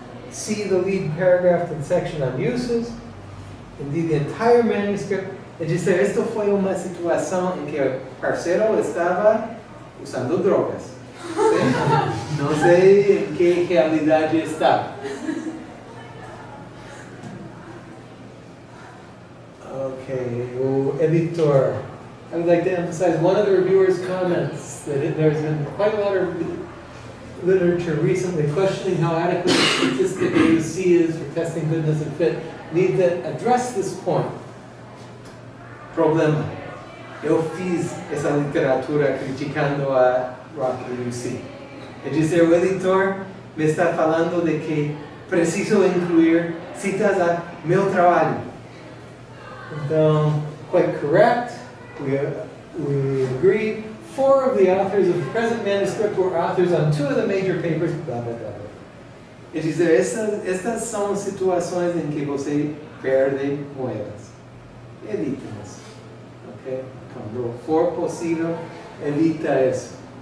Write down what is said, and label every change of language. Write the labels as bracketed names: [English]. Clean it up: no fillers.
[English] See the lead paragraph and section on uses. Indeed, the entire manuscript. [Portuguese] E dizer, isto foi uma situação em que o parceiro estava usando drogas. Não sei em que realidade está. Ok, o editor. [English] I would like to emphasize one of the reviewer's comments that there's been quite a lot of literature recently questioning how adequate the statistic AUC is for testing goodness and fit. Need to address this point. [Portuguese] Problema. Eu fiz essa literatura criticando a Rock AUC. E disse, o editor me está falando de que preciso incluir citas a meu trabalho. [English] Então, quite correct. We agree. Four of the authors of the present manuscript were authors on two of the major papers. Blah, blah, blah. [Portuguese] E dizer, estas são situações em que você perde moedas. Evita isso. Ok? Quando for possível, evita isso.